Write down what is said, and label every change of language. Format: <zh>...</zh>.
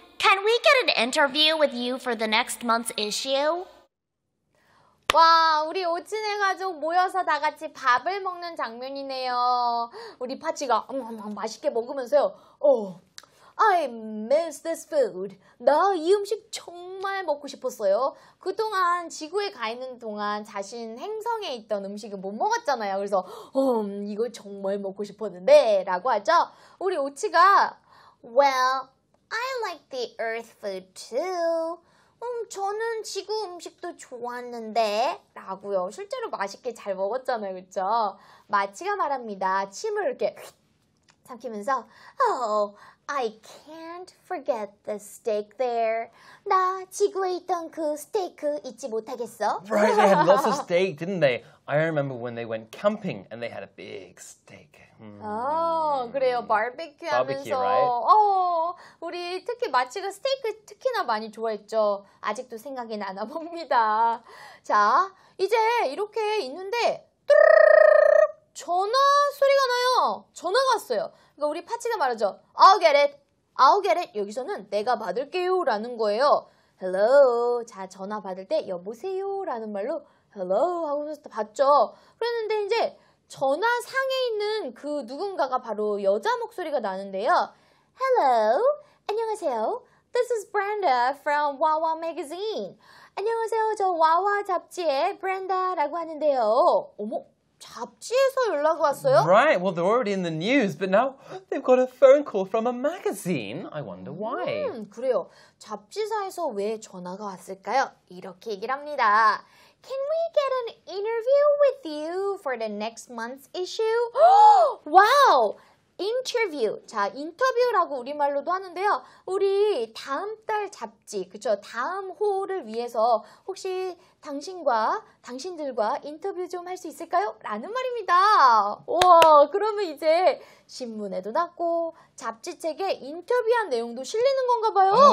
<en>Can we get an interview with you for the next month's issue?</en> <ko>와, 우리 오친의 가족 모여서 다 같이 밥을 먹는 장면이네요. 우리 파치가 맛있게 먹으면서요.</ko> <en>I miss this food.</en> <ko>나 이 음식 정말 먹고 싶었어요. 그동안 지구에 가 있는 동안 자신 행성에 있던 음식을 못 먹었잖아요. 그래서 이거 정말 먹고 싶었는데 라고 하죠. 우리 오치가</ko> <en>Well, I like the earth food too.</en> <ko>저는 지구 음식도 좋았는데 라고요. 실제로 맛있게 잘 먹었잖아요. 그렇죠? 마치가 말합니다. 침을 이렇게 삼키면서</ko> <en>I can't forget the steak there.</en> <ko>나 지구에 있던 그 스테이크 잊지 못하겠어.</ko> <en>Right, they had lots of steak, didn't they? I remember when they went camping and they had a big steak.</en> <ko>그래요. 바베큐 하면서.</ko> <en>Barbecue, right?</en> <ko>우리 특히 마치가 스테이크 특히나 많이 좋아했죠. 아직도 생각이 나나 봅니다. 자, 이제 이렇게 있는데 전화 소리가 나요. 전화가 왔어요. 그러니까 우리 파치가 말하죠.</ko> <en>I'll get it. I'll get it.</en> <ko>여기서는 내가 받을게요 라는 거예요. Hello. 자, 전화 받을 때 여보세요 라는 말로 Hello 하고서 받죠. 그랬는데 이제 전화상에 있는 그 누군가가 바로 여자 목소리가 나는데요.</ko> <en>Hello.</en> <ko>안녕하세요.</ko> <en>This is Brenda from Wawa Magazine.</en> <ko>안녕하세요. 저 와와 잡지의 브렌다라고 하는데요. 어머. 잡지에서 연락 왔어요?</ko> <en>Right. Well, they're already in the news, but now they've got a phone call from a magazine. I wonder why.</en> <ko>그래요. 잡지사에서 왜 전화가 왔을까요? 이렇게 얘기를 합니다.</ko> <en>Can we get an interview with you for the next month's issue? Wow. Interview.</en> <ko>자, 인터뷰라고 우리말로도 하는데요. 우리 다음 달 잡지, 그쵸? 다음 호를 위해서 혹시 당신과, 당신들과 인터뷰 좀 할 수 있을까요? 라는 말입니다. 와, 그러면 이제 신문에도 났고 잡지책에 인터뷰한 내용도 실리는 건가 봐요.</ko>